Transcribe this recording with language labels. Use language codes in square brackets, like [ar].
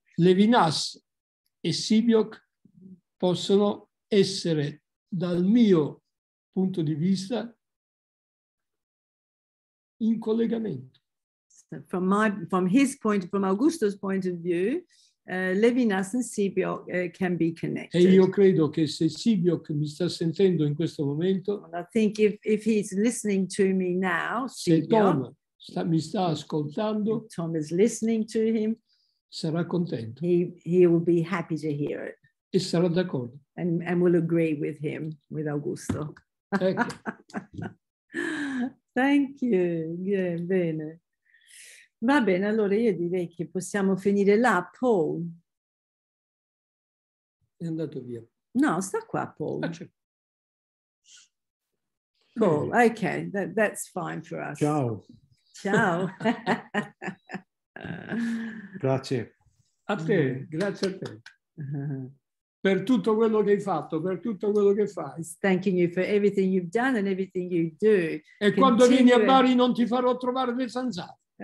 [it] Levinas e Sebeok possono essere, dal mio punto di vista, in collegamento. [en] So from Augusto's point of view, Levinas and Sebeok can be connected. [it] E io credo che se Sebeok mi sta sentendo in questo momento, [en] well, I think if he's listening to me now, [it] se Tom mi sta ascoltando, [en] Tom is listening to him, [it] sarà contento. [en] He will be happy to hear it. [it] E sarà d'accordo. [en] And will agree with him, with Augusto. [it] Ecco. [en] Thank you. Yeah, [it] bene. Va bene, allora io direi che possiamo finire là, Paul. È andato via. No, sta qua, Paul. Ah, c'è. [en] Paul, yeah. Okay, that's fine for us. [it] Ciao. Ciao. Grazie. A te, grazie a te. Per tutto quello che hai fatto, per tutto quello che fai. [en] Thanking you for everything you've done and everything you do. [it] E continue. Quando vieni a Bari non ti farò trovare le zanzare.